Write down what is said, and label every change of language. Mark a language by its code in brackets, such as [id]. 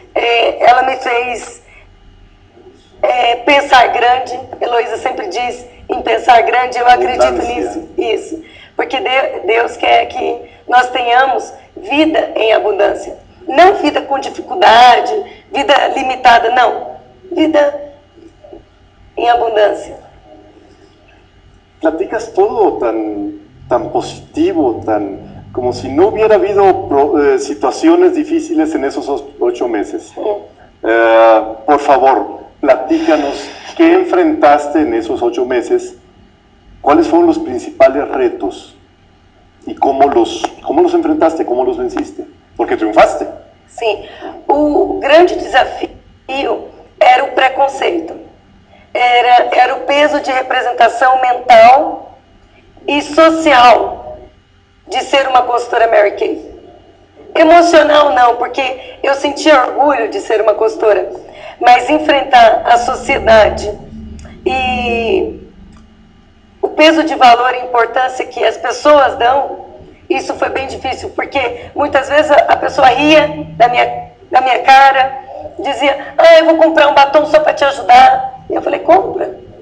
[pt] Ela me fez pensar grande. Heloísa sempre diz em pensar grande, eu acredito nisso. Isso, porque Deus quer que nós tenhamos vida em abundância, não vida com dificuldade, vida limitada, não, vida em abundância. [es] Platicas todo tan, tan positivo, tan, como si no hubiera habido situaciones difíciles en esos 8 meses. Por favor, platícanos qué enfrentaste en esos 8 meses, cuáles fueron los principales retos y cómo los enfrentaste, cómo los venciste, porque triunfaste. Sí, el gran desafío era el preconceito. [pt] Era o peso de representação mental e social de ser uma consultora Mary Kay. Emocional não, porque eu sentia orgulho de ser uma consultora, mas enfrentar a sociedade e o peso de valor e importância que as pessoas dão, isso foi bem difícil, porque muitas vezes a pessoa ria da minha cara, dizia, ah, eu vou comprar um batom só para te ajudar. Eu falei, compra.